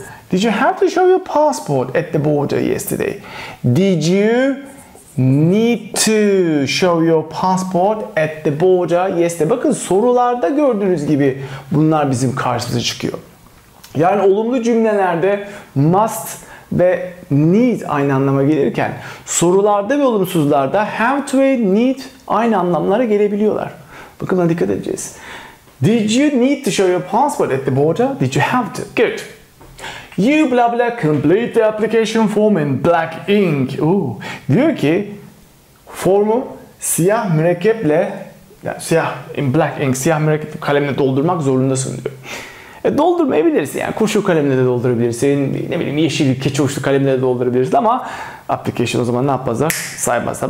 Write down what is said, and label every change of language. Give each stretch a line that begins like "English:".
English: Did you have to show your passport at the border yesterday? Did you need to show your passport at the border yesterday?
Turkish: Bakın sorularda gördüğünüz gibi bunlar bizim karşımıza çıkıyor. Yani olumlu cümlelerde must ve need aynı anlama gelirken sorularda ve olumsuzlarda have to ve need aynı anlamlara gelebiliyorlar. Bakın buna dikkat edeceğiz.
English: Did you need to show your passport at the border? Did you have to? Good. You blah blah complete the application form in black ink.
Turkish: Diyor ki formu siyah mürekkeple yani siyah
English: in black ink
Turkish: siyah mürekkep kalemle doldurmak zorundasın diyor. Doldurmayabilirsin yani kurşun kalemle de doldurabilirsin. Ne bileyim yeşil keçi uçlu kalemle de doldurabilirsin ama application o zaman ne yapmazlar? Saymazlar.